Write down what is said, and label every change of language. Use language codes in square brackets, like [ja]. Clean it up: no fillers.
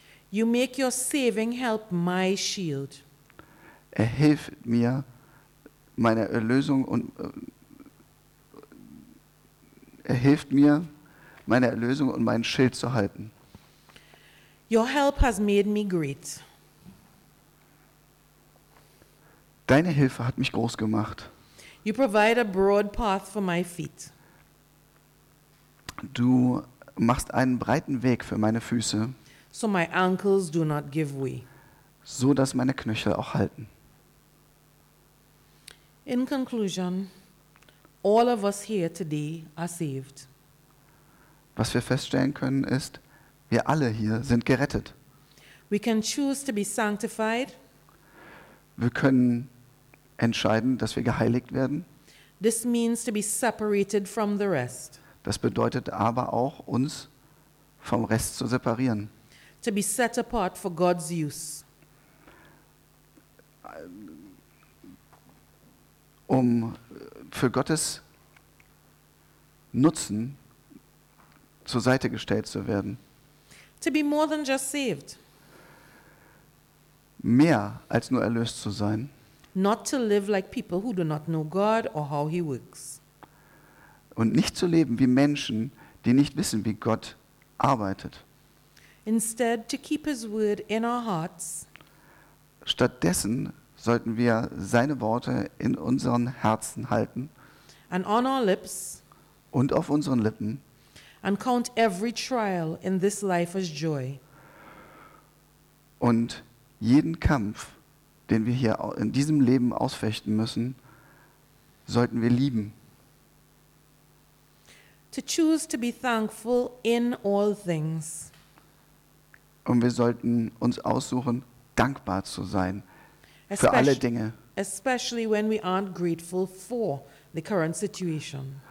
[en] You make your saving help my shield. [de] Er hilft mir, meine Erlösung und er hilft mir, meine Erlösung und meinen Schild zu halten. [en] Your help has made me great. [de] Deine Hilfe hat mich groß gemacht. [en] You provide a broad path for my feet. [de] Du machst einen breiten Weg für meine Füße. [en] So my ankles do not give way. [de] So dass meine Knöchel auch halten. [en] In conclusion, all of us here today are saved. [de] Was wir feststellen können ist, wir alle hier sind gerettet. [en] We can choose to be sanctified. [de] Wir können entscheiden, dass wir geheiligt werden. [en] This means to be separated from the rest. [de] Das bedeutet aber auch, uns vom Rest zu separieren. [en] To be set apart for God's use. [de] Um für Gottes Nutzen zur Seite gestellt zu werden. [en] To be more than just saved. [de] Mehr als nur erlöst zu sein. [en] Not to live like people who do not know God or how he works. [de] Und nicht zu leben wie Menschen, die nicht wissen, wie Gott arbeitet. [en] Instead to keep his word in our hearts. [de] Stattdessen sollten wir seine Worte in unseren Herzen halten. [en] And on our lips. [de] Und auf unseren Lippen. [en] And count every trial in this life as joy. [de] Und jeden Kampf, den wir hier in diesem Leben ausfechten müssen, sollten wir lieben. [en] To choose to be thankful in all things. [de] Und wir sollten uns aussuchen, dankbar zu sein für alle Dinge. [en] Especially when we aren't grateful for the current situation.